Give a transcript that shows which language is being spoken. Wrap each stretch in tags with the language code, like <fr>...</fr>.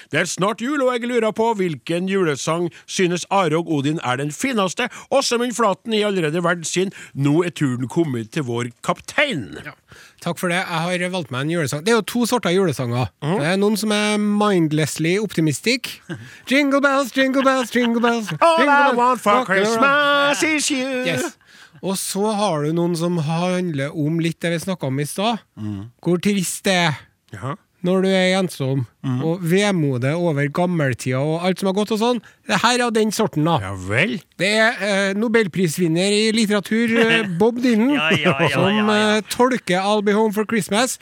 <no>Det er snart jul, og jeg lurer på hvilken julesang synes Are og Odin er den fineste. Også min flaten i allerede verdt sin, nå er turen kommet til vår kaptein. Ja. Takk for det, jeg har valgt meg en julesang. Det er jo to sorter julesanger. Mm. Det er noen som er</no> <en>mindlessly optimistik. Jingle bells, jingle bells, jingle bells, jingle bells. All I want for Christmas is you. Yes.</en> <no>Og så har du noen som handler om litt det vi snakket om i sted. Mm. Hvor trist det er ja. Når du er ensom mm. og vemodet over gammeltida og alt som har gått og sånn. Det her er den sorten da. Ja vel. Det er Nobelprisvinner i litteratur Bob Dylan som tolker I'll Be Home for Christmas.</no>